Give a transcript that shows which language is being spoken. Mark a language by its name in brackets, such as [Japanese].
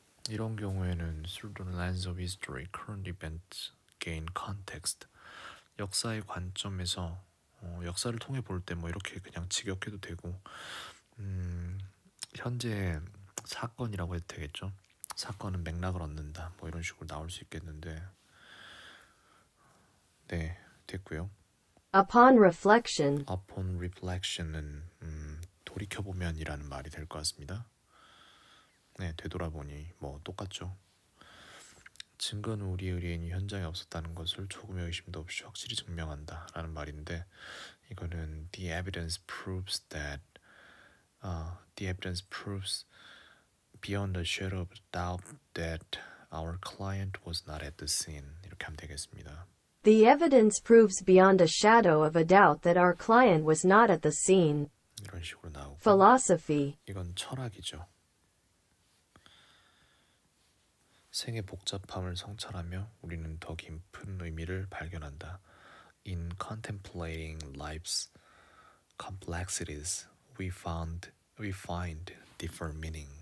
[Korean] 이런 경우에는 [English] Through the lens of history, current events gain context. [Korean] 역사의 관점에서 역사를 통해 볼때뭐 이렇게 그냥 직역해도 되고, 현재 사건이라고 해도 되겠죠? 사건은 맥락을 얻는다. 뭐 이런 식으로 나올 수 있겠는데. 네, 됐고요. [English] Upon reflection, Upon reflection [Korean] 은 돌이켜보면이라는 말이 될것 같습니다. 네, 되돌아보니 뭐 똑같죠. 증거는 우리의 의뢰인이 현장에 없었다는 것을 조금의 의심도 없이 확실히 증명한다라는 말인데, 이거는 [English] the evidence proves that the evidence proves beyond a shadow of doubt that our client was not at the scene. [Korean] 이렇게 하면 되겠습니다. [English] The evidence proves beyond a shadow of a doubt that our client was not at the scene. [Korean] 이런 식으로 나오고, [English] Philosophy. [Korean] 이건 철학이죠. 생의 복잡함을 성찰하며 우리는 더 깊은 의미를 발견한다. [English] In contemplating life's complexities, we find deeper meaning.